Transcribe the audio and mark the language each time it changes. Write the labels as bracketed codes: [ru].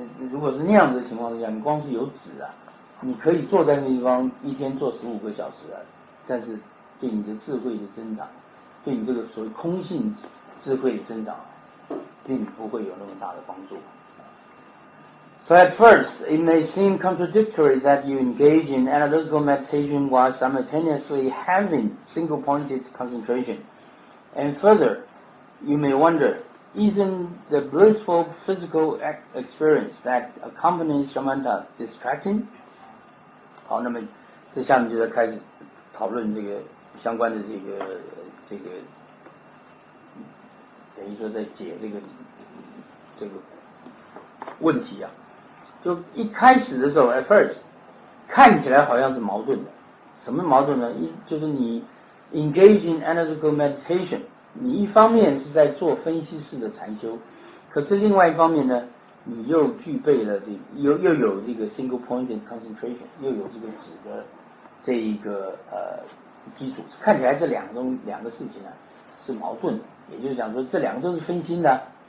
[zh] 如果是那样子的情况之下，你光是有止啊，你可以坐在那地方一天坐十五个小时啊，但是对你的智慧的增长，对你这个所谓空性智慧的增长，并不会有那么大的帮助。 [en] So at first, it may seem contradictory that you engage in analytical meditation while simultaneously having single-pointed concentration. And further, you may wonder, isn't the blissful physical experience that accompanies samatha distracting? [zh] 好，那么这下面就在开始讨论这个相关的这个。等于说在解这个问题啊，就一开始的时候 ， [en] at first， [zh] 看起来好像是矛盾的。什么矛盾呢？就是你 [en] engage in analytical meditation， [zh] 你一方面是在做分析式的禅修，可是另外一方面呢，你又具备了这个、又有这个 single pointed concentration， 又有这个止的这一个基础，看起来这两个事情呢是矛盾的，也就是讲说这两个都是分心的。